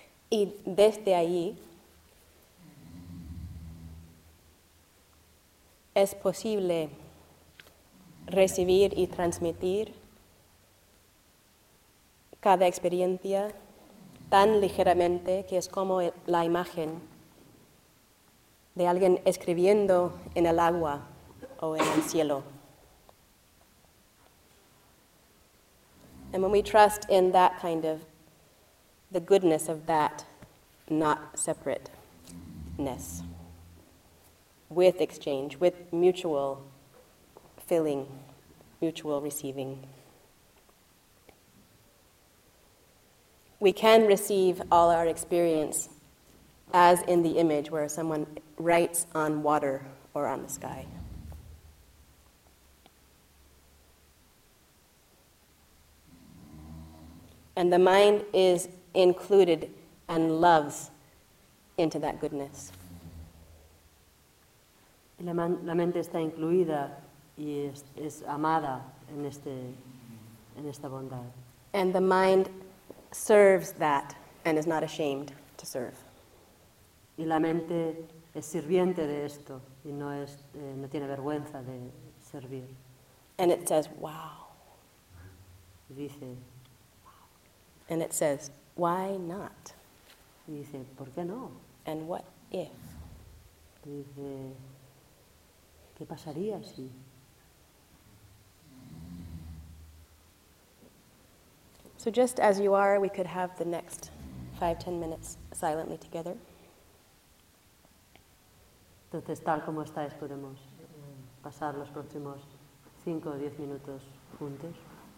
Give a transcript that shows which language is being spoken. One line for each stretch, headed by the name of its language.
Spanish: Y desde allí es posible recibir y transmitir cada experiencia tan ligeramente que es como la imagen de alguien escribiendo en el agua o en el cielo.
English: And when we trust in that kind of the goodness of that not separateness with exchange, with mutual filling, mutual receiving, we can receive all our experience as in the image where someone writes on water or on the sky. And the mind is included and loves into that goodness.
Spanish: La mente está incluida y es amada en este en esta bondad.
English: And the mind serves that and is not ashamed to serve.
Spanish: Y la mente es sirviente de esto y no es no tiene vergüenza de servir.
English: And it says, "Wow."
Spanish: Dice.
English: And it says, "Why not?"
Spanish: Dice, ¿por qué no?
English: And what if?
Spanish: Dice, ¿qué pasaría si?
English: So just as you are, we could have the next 5-10 minutes silently together.
Spanish: Entonces, tal como estáis, podemos pasar los próximos 5 o 10 minutos juntos.